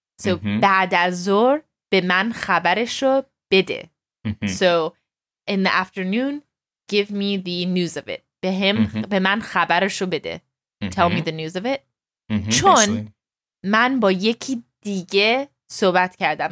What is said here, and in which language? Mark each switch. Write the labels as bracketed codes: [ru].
[fa] So, بعد از ظهر به من خبرشو بده. [en] So, in the afternoon, give me the news of it. [fa] به من خبرشو بده. [en] Tell me the news of it. [fa] چون من با یکی دیگه صحبت کردم.